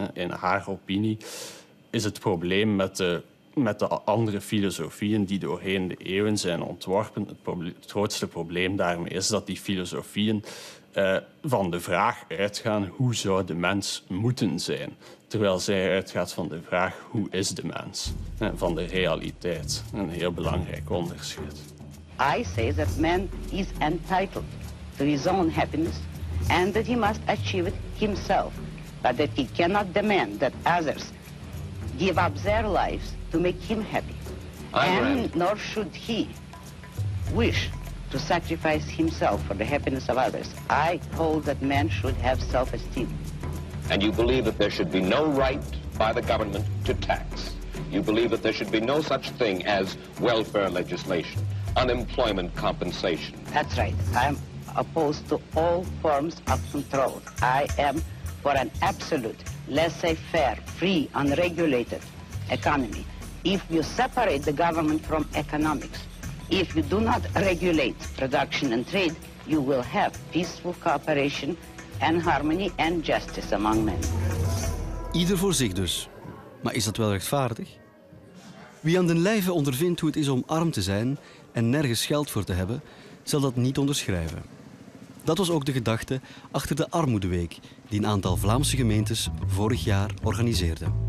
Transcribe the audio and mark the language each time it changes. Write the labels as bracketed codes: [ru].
[nl] In haar opinie is het probleem met de andere filosofieën die doorheen de eeuwen zijn ontworpen. Het grootste probleem daarmee is dat die filosofieën van de vraag uitgaan hoe zou de mens moeten zijn. Terwijl zij uitgaat van de vraag hoe is de mens. Van de realiteit. Een heel belangrijk onderscheid. [en] I say that man is entitled to his own happiness and that he must achieve it himself. But that he cannot demand that others give up their lives to make him happy. And nor should he wish to sacrifice himself for the happiness of others. I hold that man should have self-esteem. And you believe that there should be no right by the government to tax. You believe that there should be no such thing as welfare legislation, unemployment compensation. That's right. I'm opposed to all forms of control. I am for an absolute laissez-faire, free, unregulated economy. If you separate the government from economics, if you do not regulate production and trade, you will have peaceful cooperation and harmony and justice among men. [nl] Ieder voor zich dus. Maar is dat wel rechtvaardig? Wie aan den lijve ondervindt hoe het is om arm te zijn en nergens geld voor te hebben, zal dat niet onderschrijven. Dat was ook de gedachte achter de Armoedeweek die een aantal Vlaamse gemeentes vorig jaar organiseerde.